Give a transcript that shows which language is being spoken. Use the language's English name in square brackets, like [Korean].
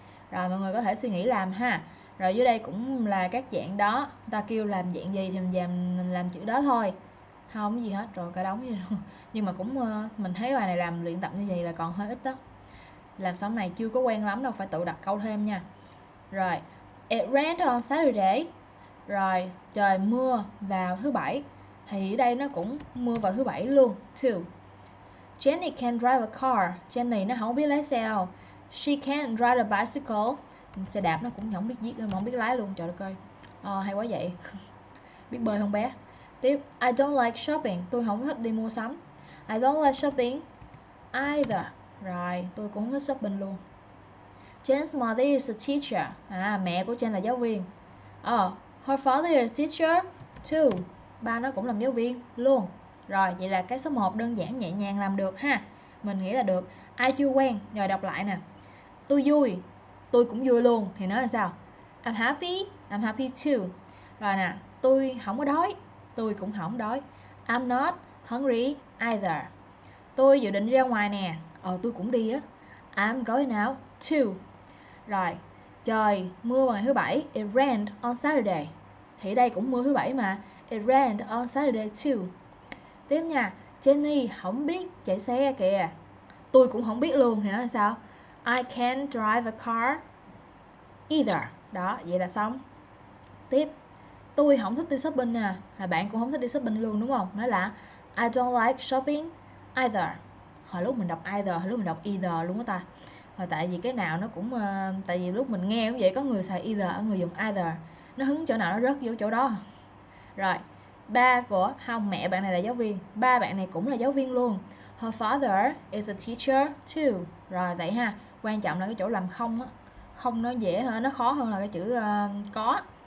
[Vietnamese] Rồi, mọi người có thể suy nghĩ làm ha. Rồi, dưới đây cũng là các dạng đó. Ta kêu làm dạng gì thì mình làm chữ đó thôi. Không gì hết, rồi cả đống vậy luôn. Nhưng mà cũng mình thấy bài này làm luyện tập như vậy là còn hơi ít đó. Làm xong này chưa có quen lắm đâu, phải tự đặt câu thêm nha. [English] Rồi, it rained on Saturday. [Vietnamese] Rồi, trời mưa vào thứ bảy. Thì ở đây nó cũng mưa vào thứ bảy luôn. [English] Two. Jenny can't drive a car. [Vietnamese] Jenny nó không biết lái xe đâu. [English] She can't ride a bicycle. [Vietnamese] Xe đạp nó cũng không biết giết, không biết lái luôn. Trời đất ơi, hay quá vậy. Biết bơi không bé? [English] Tiếp, I don't like shopping. [Vietnamese] Tôi không thích đi mua sắm. [English] I don't like shopping either. [Vietnamese] Rồi, tôi cũng không thích shopping luôn. [English] Jen's mother is a teacher. [Vietnamese] À, mẹ của Jen là giáo viên. [English] Her father is a teacher too. [Vietnamese] Ba nó cũng làm giáo viên luôn. Rồi, vậy là cái số 1 đơn giản nhẹ nhàng làm được ha. Mình nghĩ là được. Ai chưa quen, rồi đọc lại nè. Tôi vui, tôi cũng vui luôn. Thì nói là sao? [English] I'm happy too. [Vietnamese] Rồi nè, tôi không có đói, tôi cũng không đói. [English] I'm not hungry either. [Vietnamese] Tôi dự định ra ngoài nè. Tôi cũng đi á. [English] I'm going out too. [Vietnamese] Rồi, trời mưa vào ngày thứ bảy. [English] It rained on Saturday. [Vietnamese] Thì đây cũng mưa thứ bảy mà. [English] It rained on Saturday too. [Vietnamese] Tiếp nha. Jenny không biết chạy xe kìa. Tôi cũng không biết luôn. Thì nói là sao? [English] I can't drive a car either. [Vietnamese] Đó, vậy là xong. Tiếp, tôi không thích đi shopping nè. À, bạn cũng không thích đi shopping luôn đúng không? Nói là [English] I don't like shopping either. [Vietnamese] Hồi lúc mình đọc either, hồi lúc mình đọc either luôn á ta. Rồi tại vì cái nào nó cũng tại vì lúc mình nghe cũng vậy, có người xài either, có người dùng either. Nó hứng chỗ nào nó rớt vô chỗ đó. Rồi, ba của không, mẹ bạn này là giáo viên. Ba bạn này cũng là giáo viên luôn. [English] Her father is a teacher too. [Vietnamese] Rồi vậy ha. Quan trọng là cái chỗ làm không á. Không nó dễ hơn, nó khó hơn là cái chữ có.